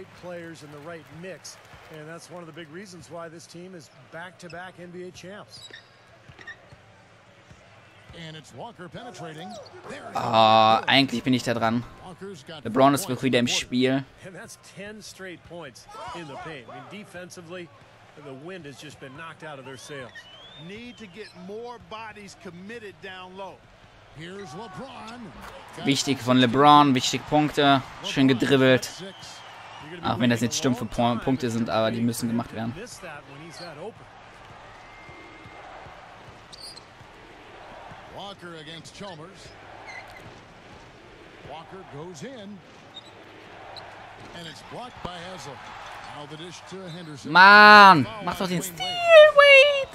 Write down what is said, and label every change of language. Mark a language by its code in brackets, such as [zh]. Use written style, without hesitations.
[en] And that's one of the big reasons why this team is back-to-back NBA champs. And it's Walker penetrating. [de] Ah, eigentlich bin ich da dran. LeBron ist wirklich wieder im Spiel. [en] And that's 10 straight points in the paint. I mean, defensively, the wind has just been knocked out of their sails. Need to get more bodies committed down low. Here's LeBron. [de] Wichtig von LeBron, wichtig Punkte, schön gedribbelt. Auch wenn das jetzt stumpfe Punkte sind, aber die müssen gemacht werden. [en] Walker against Chalmers. Walker goes in. And it's blocked by Hazel. Now the dish to Henderson. [de] Mann, mach doch den Steal, Wade!